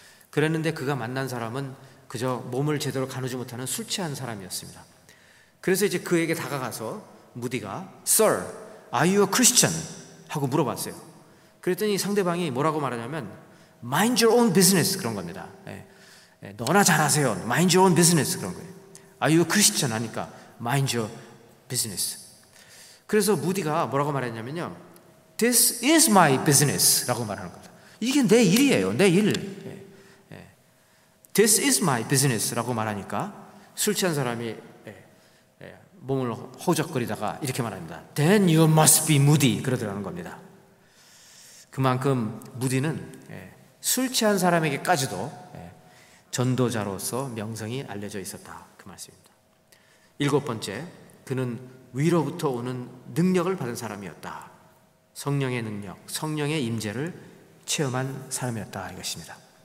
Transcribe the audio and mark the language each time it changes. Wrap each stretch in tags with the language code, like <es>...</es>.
<ko>그랬는데 그가 만난 사람은 그저 몸을 제대로 가누지 못하는 술 취한 사람이었습니다. 그래서 이제 그에게 다가가서 무디가</ko> <en>Sir, are you a Christian?</en> <ko>하고 물어봤어요. 그랬더니 상대방이 뭐라고 말하냐면</ko> <en>Mind your own business</en> <ko>그런 겁니다. 너나 잘하세요.</ko> <en>Mind your own business</en> <ko>그런 거예요.</ko> <en>Are you a Christian?</en> <ko>하니까</ko> <en>Mind your business.</en> <ko>그래서 무디가 뭐라고 말했냐면요,</ko> <en>This is my business</en> <ko>라고 말하는 겁니다. 이게 내 일이에요. 내 일.</ko> <en>This is my business</en> <ko>라고 말하니까 술 취한 사람이 몸을 허우적거리다가 이렇게 말합니다.</ko> <en>Then you must be moody</en> <ko>그러더라는 겁니다. 그만큼 무디는 술 취한 사람에게까지도 전도자로서 명성이 알려져 있었다, 그 말씀입니다. 일곱 번째, 그는 위로부터 오는 능력을 받은 사람이었다. 성령의 능력, 성령의 임재를 체험한 사람이었다, 이것입니다.</ko>